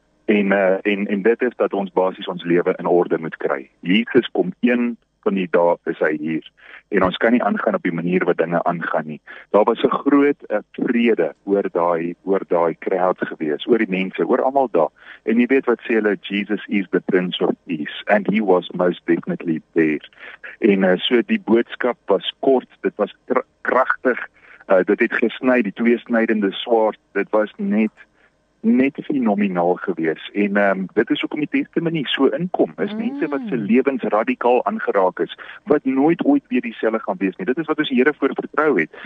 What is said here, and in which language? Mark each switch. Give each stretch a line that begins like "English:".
Afrikaans: En dit is dat ons basies ons lewe in orde moet kry. Jesus kom een van die dae is hy hier. En ons kan nie aangaan op die manier wat dinge aangaan nie. Daar was 'n groot vrede oor daai crowd gewees, oor die mense, oor almal daar. En jy weet wat sê hulle,
English: Jesus is the Prince of Peace and he was most definitely there.
Afrikaans: En so die boodskap was kort, dit was kragtig. Dit het gesny, die tweesnydende swaard. Dit was net fenomenaal gewees. En dit is hoekom die testimonie so inkom. Is mense wat se lewens radikaal aangeraak is, wat nooit ooit weer dieselfde gaan wees nie. Dit is wat ons die Here voor vertrou het.